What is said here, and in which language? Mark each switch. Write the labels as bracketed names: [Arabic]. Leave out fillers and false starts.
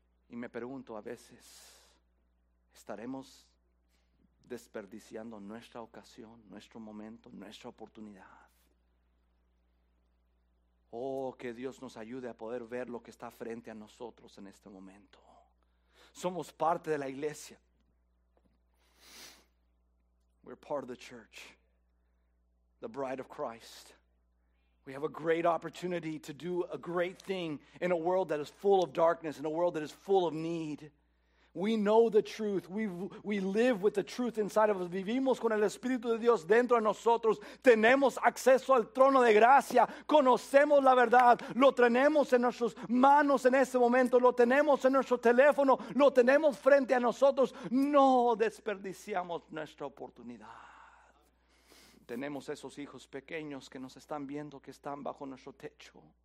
[Spanish] Y me pregunto a veces, ¿estaremos desperdiciando nuestra ocasión, nuestro momento, nuestra oportunidad? Oh, que Dios nos ayude a poder ver lo que está frente a nosotros en este momento. Somos parte de la iglesia. [English] We're part of the church, the bride of Christ. We have a great opportunity to do a great thing in a world that is full of darkness, in a world that is full of need. We know the truth. We live with the truth inside of us. [Spanish] Vivimos con el Espíritu de Dios dentro de nosotros. Tenemos acceso al trono de gracia. Conocemos la verdad. Lo tenemos en nuestras manos en este momento. Lo tenemos en nuestro teléfono. Lo tenemos frente a nosotros. No desperdiciamos nuestra oportunidad. Tenemos esos hijos pequeños que nos están viendo, que están bajo nuestro techo.